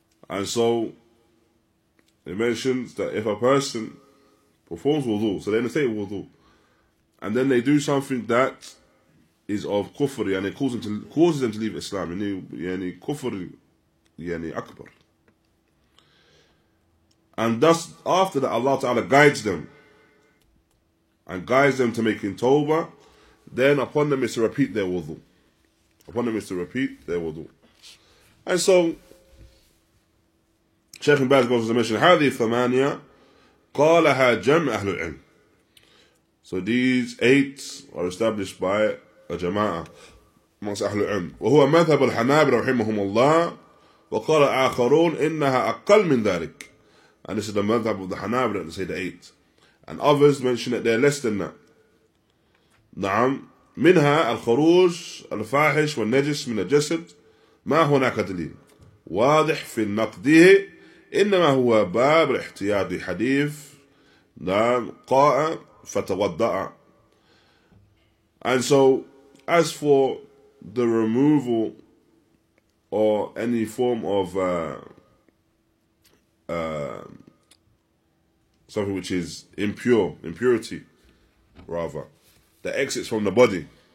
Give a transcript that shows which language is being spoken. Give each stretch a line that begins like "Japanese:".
English: And so, it mentions that if a person performs wudu, so they're in a state of wudu, and then they do something that is of kufri, and it causes them to leave Islam, yani kufri, yani akbar. And thus, after that, Allah Ta'ala guides them, and guides them to making tawbah, then upon them is to repeat their wudu. Upon them is to repeat their wudu. And so, Shaykh Ibn Baz goes on to mention,
Arabic: هذه ثمانية قالها جمع أهل العلم.
English: So these eight are established by a jama'ah amongst
Arabic: أهل العلم. وهو مذهب الحنابلة رحمهم الله وقال آخرون إنها أقل من ذلك.
English: And this is the mذهب of the حنابلة, they say the eight. And others mention that they're less than that.
Arabic: نعم. منها الخروج الفاحش والنجس من الجسد ما هناك دليل واضح في نقده إنما هو باب الاحتياط حديث قاء فتوضأ.
English: And so as for the removal or any form of something which is impurity, that exits from the body.